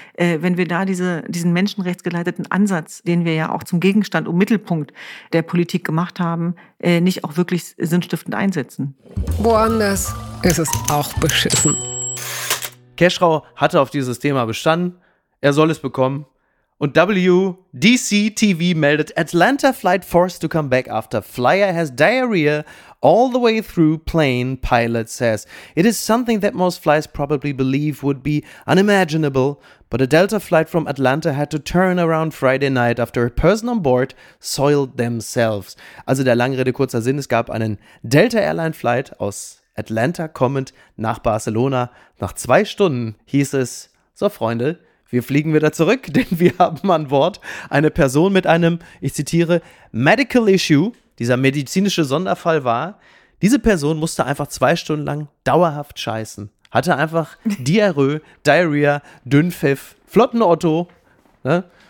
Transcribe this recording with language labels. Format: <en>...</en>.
<de>Wenn wir da diesen menschenrechtsgeleiteten Ansatz, den wir ja auch zum Gegenstand und Mittelpunkt der Politik gemacht haben, nicht auch wirklich sinnstiftend einsetzen. Woanders ist es auch beschissen. Keschrau hatte auf dieses Thema bestanden. Er soll es bekommen. Und WDC-TV meldet,</de> <en>Atlanta flight forced to come back after flyer has diarrhea all the way through plane, pilot says. It is something that most flies probably believe would be unimaginable, but a Delta flight from Atlanta had to turn around Friday night after a person on board soiled themselves.</en> <de>Also der lange Rede kurzer Sinn, es gab einen Delta Airline Flight aus Atlanta kommend nach Barcelona. Nach 2 Stunden hieß es, so Freunde, wir fliegen wieder zurück, denn wir haben an Bord eine Person mit einem, ich zitiere, Medical Issue, dieser medizinische Sonderfall war, diese Person musste einfach 2 Stunden lang dauerhaft scheißen, hatte einfach Diarrhoe, Diarrhea, Dünnpfiff, flotten Otto, ne?</de>